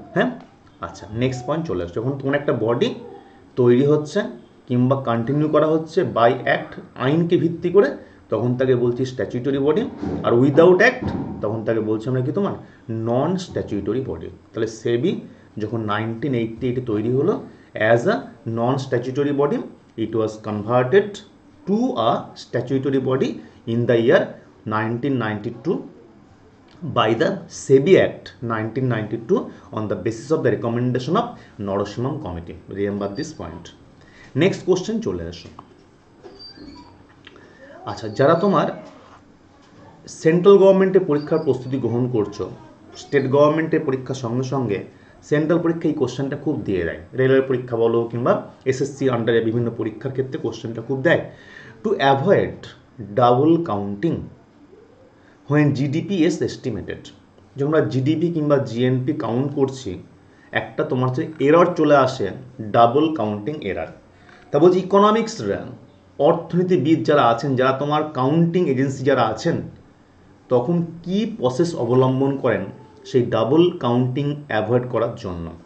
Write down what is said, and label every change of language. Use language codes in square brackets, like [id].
[bn] হ্যাঁ, আচ্ছা, next point চলে আসছে। যখন কোনো একটা বডি তৈরি হচ্ছে কিংবা কন্টিনিউ করা হচ্ছে বাই অ্যাক্ট, আইনকে ভিত্তি করে, তখন তাকে বলছি স্ট্যাচুটরি বডি, আর উইদাউট অ্যাক্ট তখন তাকে বলছি আমরা কি তোমার নন স্ট্যাচুটরি বডি। তাহলে সেবি যখন 1988 তৈরি হলো [en] As a non statutory body, it was converted to a statutory body in the year 1992, by the SEBI Act 1992 on the basis of the recommendation of Narasimham Committee. Remember this point. Next question [bn] chole asho. আচ্ছা যারা তোমার central গভর্নমেন্টের পরীক্ষার প্রস্তুতি গ্রহণ করছো, state গভর্নমেন্টের পরীক্ষার সঙ্গে সঙ্গে সেন্ট্রাল পরীক্ষা এই কোশ্চেনটা খুব দিয়ে দেয়, রেলওয়ে পরীক্ষা বলো কিংবা এসএসসি আন্ডারে বিভিন্ন পরীক্ষার ক্ষেত্রে কোশ্চেনটা খুব দেয়। [en] to avoid double counting when GDP is estimated, [bn] যখন আমরা জিডিপি কিংবা জিএনপি কাউন্ট করছি একটা তোমার যে এরর চলে আসে ডাবল কাউন্টিং এরর, তা বলছি ইকোনমিক্স অর্থনীতিবিদ যারা আছেন, যারা তোমার কাউন্টিং এজেন্সি যারা আছেন, তখন কি প্রসেস অবলম্বন করেন সেই ডাবল কাউন্টিং অ্যাভয়েড করার জন্য,